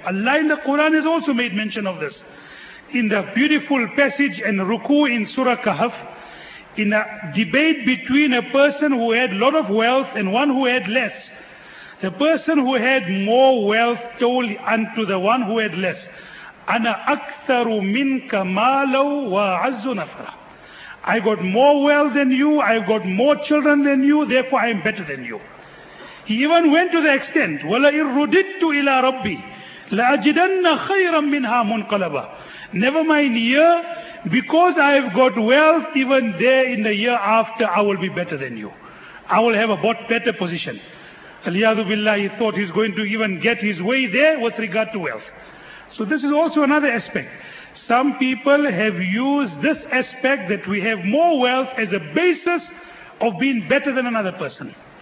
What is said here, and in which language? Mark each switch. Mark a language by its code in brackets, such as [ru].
[en] Allah in the Quran has also made mention of this. In the beautiful passage and ruku in Surah Kahf, in a debate between a person who had lot of wealth and one who had less, the person who had more wealth told unto the one who had less, [ar] أَنَا أَكْثَرُ مِنْكَ مَالًا وَعَزُّ نَفَرًا. [en] I got more wealth than you, I got more children than you, therefore I am better than you. He even went to the extent, [ar] وَلَئِن رُدِدْتُ إِلَىٰ رَبِّي لَأَجِدَنَّ خَيْرًا مِّنْهَا مُنْقَلَبًا. [en] Never mind here, because I have got wealth, even there in the year after, I will be better than you. I will have a better position. [ar] Aliyadu billahi, [en] he thought he's going to even get his way there with regard to wealth. So this is also another aspect. Some people have used this aspect that we have more wealth as a basis of being better than another person.